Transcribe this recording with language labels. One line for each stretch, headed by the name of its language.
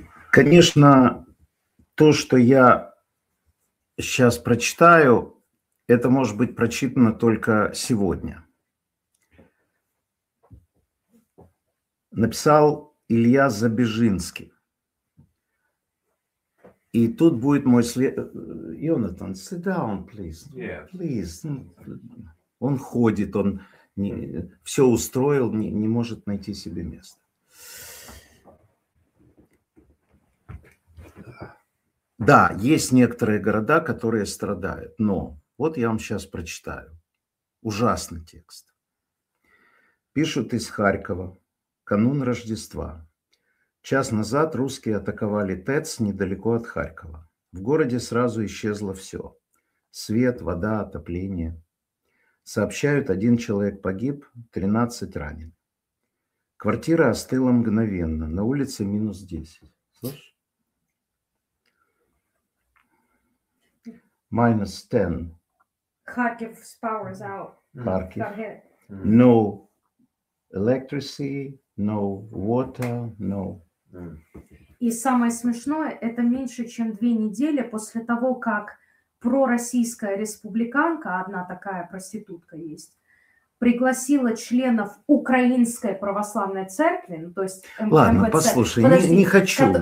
Russian: Конечно, то, что я сейчас прочитаю, это может быть прочитано только сегодня. Написал Илья Забежинский. И тут будет мой след...
English: Йонатан, sit down, please. Yeah. Please.
Russian: Он ходит, он не... все устроил, не может найти себе места. Да, есть некоторые города, которые страдают, но вот я вам сейчас прочитаю. Ужасный текст. Пишут из Харькова. Канун Рождества. Час назад русские атаковали ТЭЦ недалеко от Харькова. В городе сразу исчезло все. Свет, вода, отопление. Сообщают, один человек погиб, 13 ранен. Квартира остыла мгновенно. На улице минус 10. Слышишь?
English: Minus 10. Харьков's power is out. Харьков. No electricity, no water, no.
Russian: И самое смешное, это меньше, чем 2 недели после того, как пророссийская республиканка, одна такая проститутка есть, пригласила членов Украинской православной церкви, ну, то есть МВЦ. Ладно, послушай, не хочу.